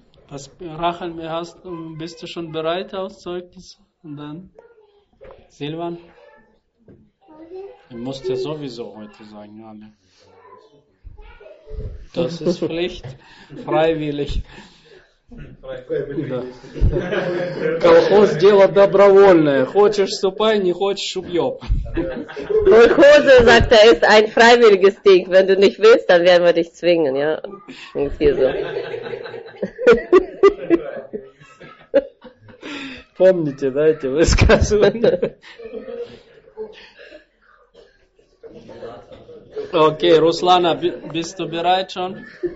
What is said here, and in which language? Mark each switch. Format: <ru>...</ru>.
<de>Was, Rachel, bist du schon bereit aus Zeugnis? Und dann Silvan? Du musst ja sowieso heute sagen, alle. Das ist Pflicht, freiwillig.</de> <ru>Колхоз – дело добровольное. Хочешь – ступай, не хочешь – убьем.</ru> <de>Колхоз, sagt er, ist ein freiwilliges Ding. Wenn du nicht willst, dann werden wir dich zwingen, ja? Und hier so.</de> <ru>Помните, да, эти высказывания?</ru> <de>Окей, Руслана, bist du bereit schon?</de>